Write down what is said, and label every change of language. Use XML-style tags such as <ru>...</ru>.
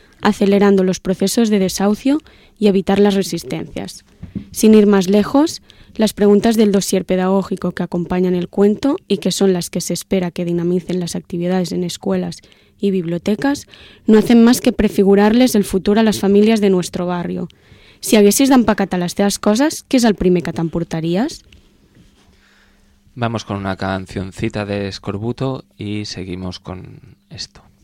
<es>acelerando los procesos de desahucio y evitar las resistencias. Sin ir más lejos, las preguntas del dossier pedagógico que acompañan el cuento y que son las que se espera que dinamicen las actividades en escuelas y bibliotecas, no hacen más que prefigurarles el futuro a las familias de nuestro barrio.</es> <ca>Si haguessis d'empacat a les teves coses, què és el primer que t'emportaries?</ca> <es>Vamos con una cancioncita de Escorbuto y seguimos con esto.</es>